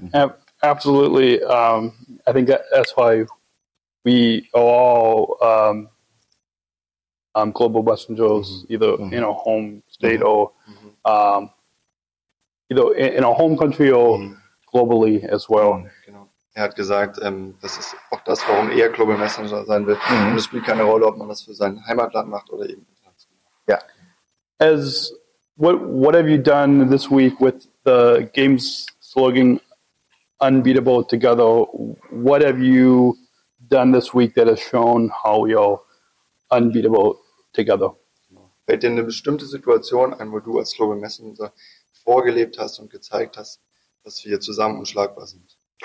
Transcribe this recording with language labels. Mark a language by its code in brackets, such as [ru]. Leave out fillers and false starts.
[en] Yeah, absolutely. I think that's why we are all global messengers, either in our home state either in our home country or globally as well. [de] Genau. Er hat gesagt, das ist auch das, warum er Global Messenger sein will. Und es spielt keine Rolle, ob man das für sein Heimatland macht oder eben international. Ja. [en] As what have you done this week with the games slogan "Unbeatable Together"? What have you done this week that has shown how you're unbeatable together? [de] Fällt dir eine bestimmte Situation ein, wo du als Global Messenger vorgelebt hast und gezeigt hast, dass wir zusammen unschlagbar sind?